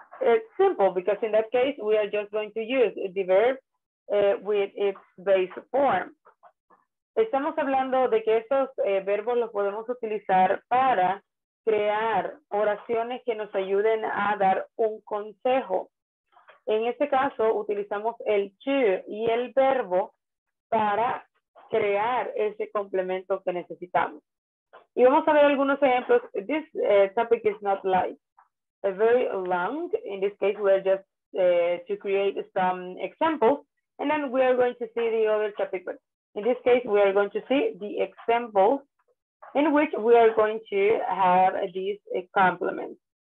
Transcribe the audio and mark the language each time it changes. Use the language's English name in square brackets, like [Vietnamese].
[English] It's simple, because in that case, we are just going to use the verb with its base form. [Spanish] Estamos hablando de que esos verbos los podemos utilizar para crear oraciones que nos ayuden a dar un consejo. En este caso, utilizamos el to y el verbo para crear ese complemento que necesitamos. Y vamos a ver algunos ejemplos. [English] This topic is not like a very long. In this case, we're just to create some examples. And then we are going to see the other topic. But in this case, we are going to see the examples in which we are going to have these complements.